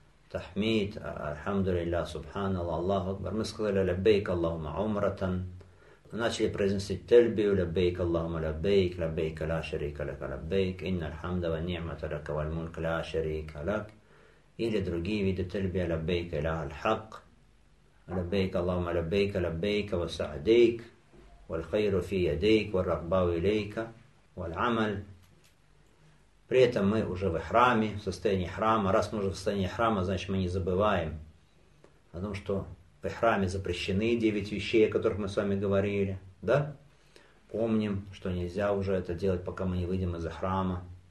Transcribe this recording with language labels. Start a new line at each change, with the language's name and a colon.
Russian: Тахмид, Альхамдулилля, Субханаллах, Аллаху Акбар. Мы сказали, лаббейк Аллахумма умратан. Начали произносить тельбию, лаббейк Аллахумма лаббейк, лаббейк ла шарика лака лаббейк, инна альхамда ва ниъмата лака валь мульк ла шарика лак. Или другие виды тельбия, лаббейк илляха аль-хак.
Arabic: لبيك اللهم لبيك لبيك وسعديك والخير في يديك والرغبة إليك والعمل.
Russian: При этом мы уже в храме, в состоянии храма. Раз мы уже в состоянии храма, значит мы не забываем о том, что в храме запрещены 9 вещей, о которых мы с вами говорили. Да? Помним, что нельзя уже это делать, пока мы не выйдем из храма.